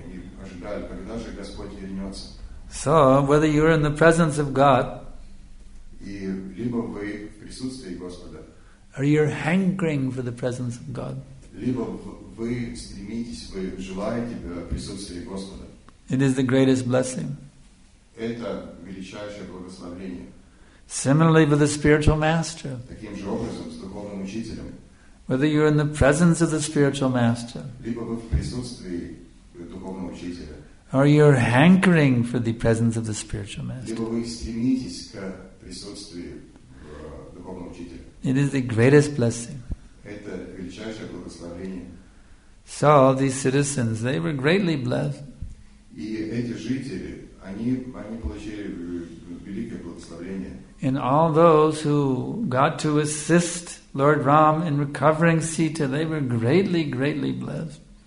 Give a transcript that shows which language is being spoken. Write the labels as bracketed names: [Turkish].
[Russian] Они ожидали, когда же Господь вернется. [English] So, whether you're in the presence of God, [Russian] и либо вы в присутствии Господа, [English] or you're hankering for the presence of God, [Russian] либо вы стремитесь, вы желаете присутствия Господа, [English] it is the greatest blessing. [Russian] Это величайшее благословение. [English] Similarly with the spiritual master. [Russian] Таким же образом, с духовным учителем. [English] Whether you're in the presence of the spiritual master, [Russian] либо вы в присутствии духовного учителя, [English] or you're hankering for the presence of the spiritual master, [Russian] либо вы стремитесь к присутствию духовного учителя, [English] it is the greatest blessing. [Russian] Это величайшее благословение. [English] So these citizens, they were greatly blessed. [Russian] И эти жители, они получили великое благословение. [English] And all those who got to assist Lord Ram in recovering Sita, they were greatly, greatly blessed.